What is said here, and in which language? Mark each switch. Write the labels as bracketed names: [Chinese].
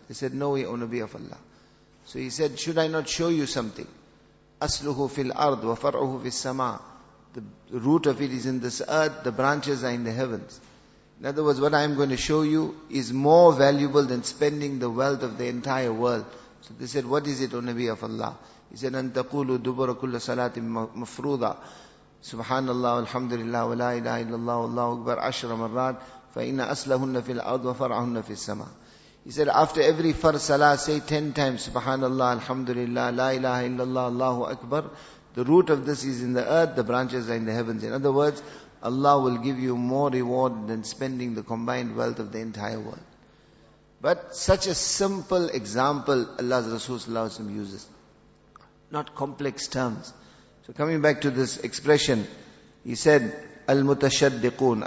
[English] He said, no way, O Nabi of Allah. So he said, should I not show you something? [Arabic] أَصْلُهُ فِي الْأَرْضِ وَفَرْعُهُ فِي السَّمَاءِ. [English] The root of it is in this earth, the branches are in the heavens. In other words, what I am going to show you is more valuable than spending the wealth of the entire world. So they said, what is it, O Nabi of Allah? He said, [Arabic] أَن تَقُولُوا دُبَرَ كُلَّ صَلَاةٍ مَفْرُوضًا سُبْحَانَ الْحَمْدُ وَلَا إِلَهِ إِلَّا اللَّهُ وَاللَّهُ أَكْبَرُ عَشْرَ مَرَّاتٍ فَإِنَّ أَصْلَهُنَّ فِي الْأَرْضِ وَفَرْعَهُنَّ فِي السَّمَاءِ. [English] He said, after every farz salah, say 10 times, Subhanallah, Alhamdulillah, La ilaha illallah, Allahu Akbar. The root of this is in the earth, the branches are in the heavens. In other words, Allah will give you more reward than spending the combined wealth of the entire world. But such a simple example Allah's Rasul sallallahu alayhi wa sallam uses. Not complex terms. So coming back to this expression, he said, Al-Mutashaddiqoon.